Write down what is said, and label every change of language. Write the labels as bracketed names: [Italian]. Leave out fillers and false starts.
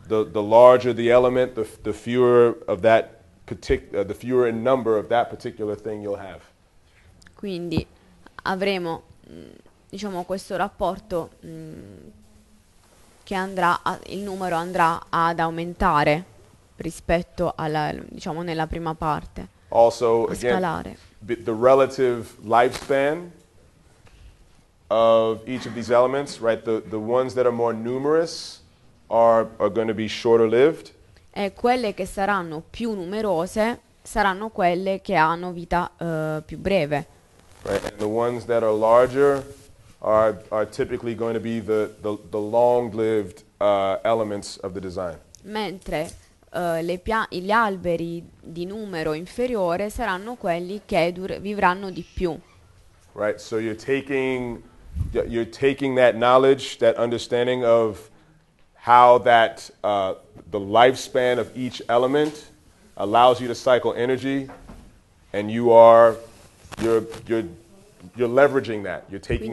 [English] The larger the element, the fewer of that particular, the fewer in number of that particular thing you'll have. [Italian] Quindi avremo, diciamo, questo rapporto che andrà a, il numero andrà ad aumentare rispetto alla, diciamo, nella prima parte. [English] Also, [Italian] a scalare. [English] Again, the relative lifespan of each of these elements, right? The ones that are more numerous are going to be shorter lived. [Italian] E quelle che saranno più numerose saranno quelle che hanno vita più breve. [English] Right, and the ones that are larger are typically going to be the long-lived elements of the design. [Italian] Mentre gli alberi di numero inferiore saranno quelli che vivranno di più. [English] Right, so you're taking that knowledge, that understanding of how that the lifespan of each element allows you to cycle energy, and you're leveraging that, you're taking